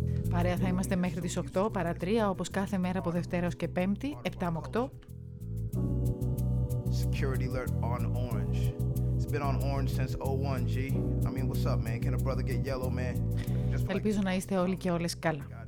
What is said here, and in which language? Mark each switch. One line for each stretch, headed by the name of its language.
Greek: Παρέα θα είμαστε μέχρι τις 8 παρά 3, όπως κάθε μέρα από Δευτέρα ως και Πέμπτη, 7 με 8.
English: Security alert on orange. It's been on orange since 01, G. I mean, what's up, man? Can a brother get yellow, man?
Greek: Ελπίζω να είστε όλοι και όλες καλά.